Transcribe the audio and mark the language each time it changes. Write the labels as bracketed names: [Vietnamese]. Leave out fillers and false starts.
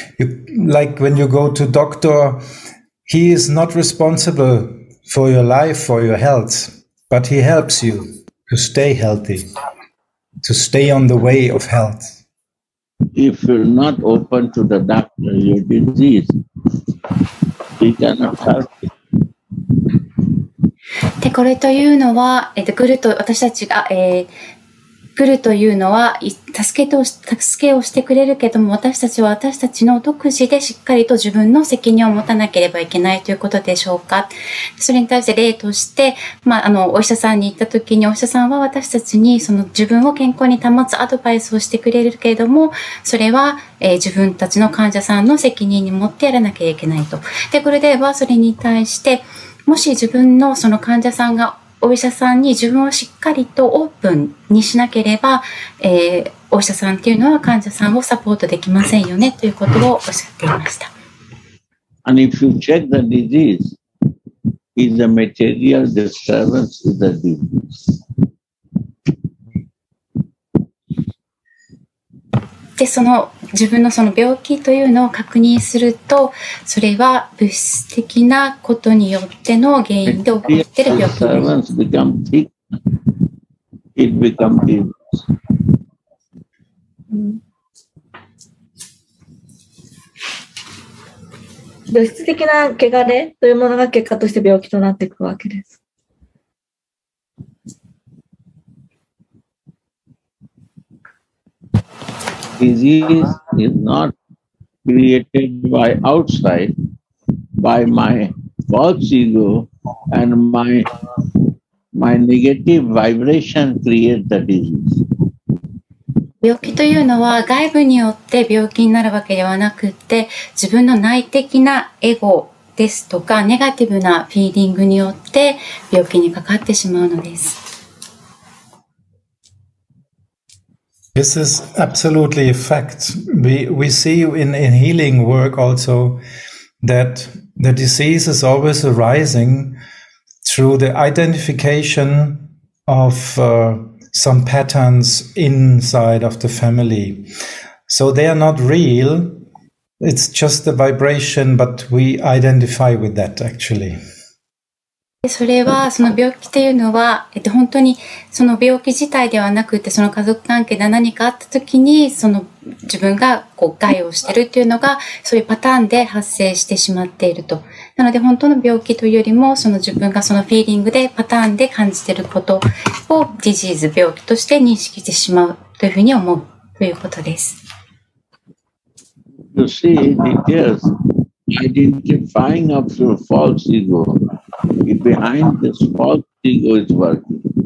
[English] You, like when you go to doctor, he is not responsible for your life, for your health, but he helps you to stay healthy. To stay on the way of health. If you're not open to the doctor, your disease, he cannot help you. [Japanese] で、これというのは、グルと私たちが、グルというのは助けをしてくれるけども、私たちは私たちの独自でしっかりと自分の責任を持たなければいけないということでしょうか。それに対して例として、まあ、お医者さんに行った時に、お医者さんは私たちにその自分を健康に保つアドバイスをしてくれるけれども、それは、自分たちの患者さんの責任に持ってやらなきゃいけないと。で、これではそれに対して、もし自分のその患者さんがお医者さんに自分をしっかりとオープンにしなければ、お医者さんというのは患者さんをサポートできませんよねということをおっしゃっていました。 [English] And if you check the disease, is the material disturbance is the disease. [Japanese] で、その自分のその病気というのを確認すると、それは物質的なことによっての原因で起こっている病気です。物質的な汚れというものが結果として病気となっていくわけです。 [English] disease is not created by outside, by my false ego and my negative vibration create the disease. [Japanese] 病気というのは外部によって病気になるわけではなくて、自分の内的なエゴですとかネガティブなフィーリングによって病気にかかってしまうのです。 [English] This is absolutely a fact. We see in healing work also that the disease is always arising through the identification of some patterns inside of the family. So they are not real. It's just the vibration, but we identify with that actually. [Japanese] それはその病気というのは、本当にその病気自体ではなくて、その家族関係で何かあった時にその自分がこう害をしているというのが、そういうパターンで発生してしまっていると。なので本当の病気というよりも、その自分がそのフィーリングでパターンで感じていることをディジーズ、病気として認識してしまうというふうに思うということです。 [English] You see, it is identifying of your false egoBehind this false ego is working.